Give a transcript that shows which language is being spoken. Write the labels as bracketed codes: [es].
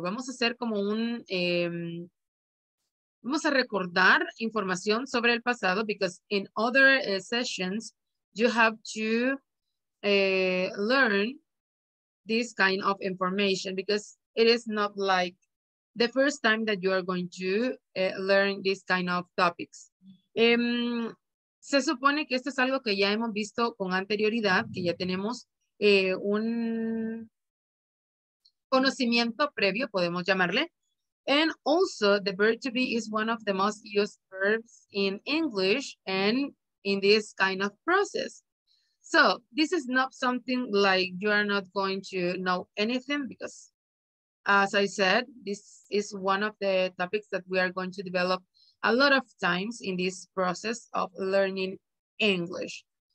[es] Vamos a hacer como un... vamos a recordar información sobre el pasado, [en] because in other sessions, you have to learn this kind of information, because it is not like the first time that you are going to learn this kind of topics. [es] Se supone que esto es algo que ya hemos visto con anterioridad, que ya tenemos un conocimiento previo, podemos llamarle. [en] And also, the verb to be is one of the most used verbs in English and in this kind of process. So this is not something like you are not going to know anything, because as I said, this is one of the topics that we are going to develop a lot of times in this process of learning English.